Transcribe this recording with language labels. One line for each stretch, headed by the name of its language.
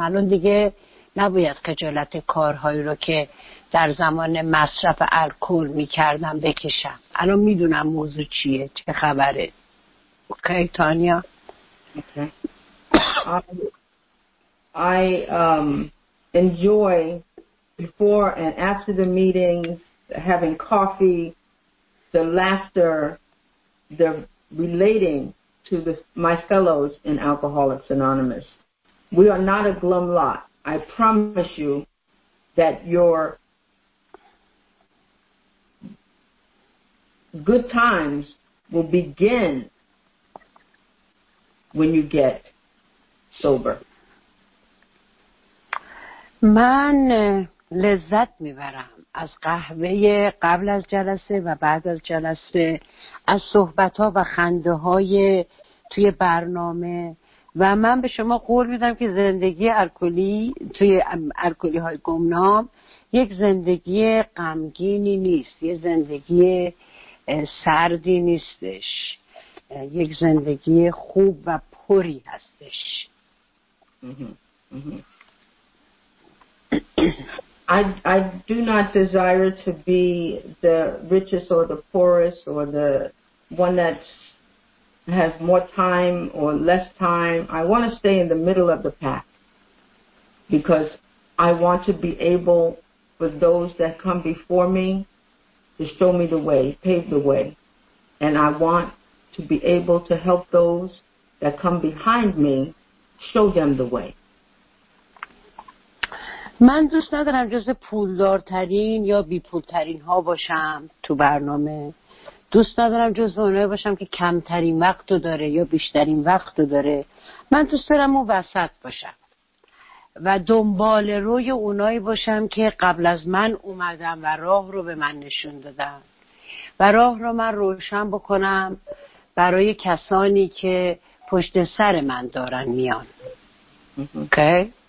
Persian: الان دیگه نباید خجالت کارهایی رو که در زمان مصرف الکل میکردم بکشم. الان میدونم موضوع چیه، چه خبره. اوکی تانیا. اوکی.
English: I enjoy before and after the meeting having coffee, the laughter, the relating to my fellows in Alcoholics Anonymous. We are not a glum lot. I promise you that your good times will begin when you get sober.
Persian: Man lezzat mibaram از قهوه قبل از جلسه و بعد از جلسه، از صحبت ها و خنده های توی برنامه، و من به شما قول میدم که زندگی الکلی توی الکلی های گمنام یک زندگی غمگینی نیست، یک زندگی سردی نیستش، یک زندگی خوب و پری هستش.
English: I do not desire to be the richest or the poorest or the one that has more time or less time. I want to stay in the middle of the pack because I want to be able for those that come before me to show me the way, pave the way. And I want to be able to help those that come behind me show them the way.
Persian: من دوست ندارم جز پولدارترین یا بیپولترین ها باشم تو برنامه. دوست ندارم جز اونایی باشم که کمترین وقت رو داره یا بیشترین وقت رو داره. من دوست دارم اون وسط باشم و دنبال روی اونایی باشم که قبل از من اومدم و راه رو به من نشون دادن و راه رو من روشن بکنم برای کسانی که پشت سر من دارن میان. اوکی؟ okay?